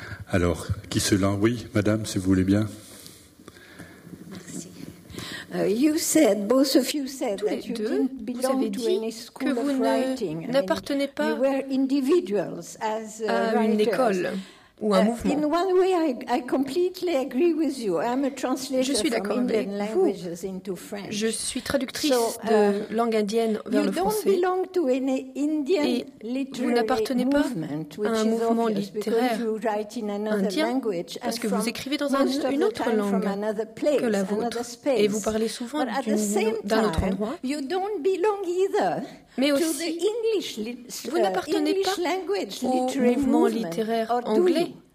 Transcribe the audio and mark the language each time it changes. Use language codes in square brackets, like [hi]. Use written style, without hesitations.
[fr] Alors, qui se lance ? Oui, madame, si vous voulez bien. Vous avez dit que vous n'appartenez pas à une école ou un mouvement. [en] In one way, I completely agree with you. I'm a translator. [fr] Je suis d'accord avec vous. Je suis traductrice de langue indienne vers le français. [en] You don't belong to an Indian literary movement, [fr] vous n'appartenez pas à un mouvement littéraire indien, parce que vous écrivez dans une autre langue que la vôtre et vous parlez souvent d'un autre endroit. [en] You don't belong either. [fr] Mais aussi, vous n'appartenez pas au mouvement littéraire anglais.